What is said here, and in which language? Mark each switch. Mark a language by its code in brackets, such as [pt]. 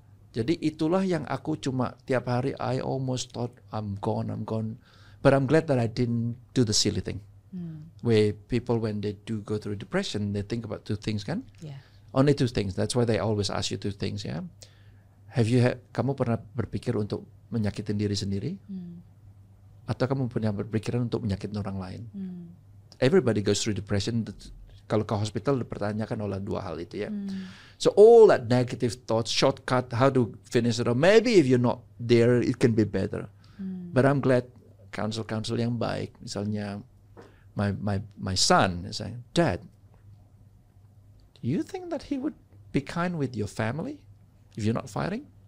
[id] Jadi itulah yang aku cuma tiap hari, [en] I almost thought I'm gone. But I'm glad that I didn't do the silly thing. Where people, when they do go through depression, they think about two things, kan? Yeah. Only two things. That's why they always ask you two things, yeah? Have you [id] kamu pernah berpikir untuk menyakitin diri sendiri? Atau kamu pernah berpikiran untuk menyakitin orang lain? [en] Everybody goes through depression. [id] Kalau ke hospital dipertanyakan oleh dua hal itu, ya. [en] So all that negative thoughts, shortcut, how to finish it all. Maybe if you're not there, it can be better. But I'm glad counsel [id] yang baik, [en] misalnya my son is saying, Dad, do you think that he would be kind with your family if you're not fighting?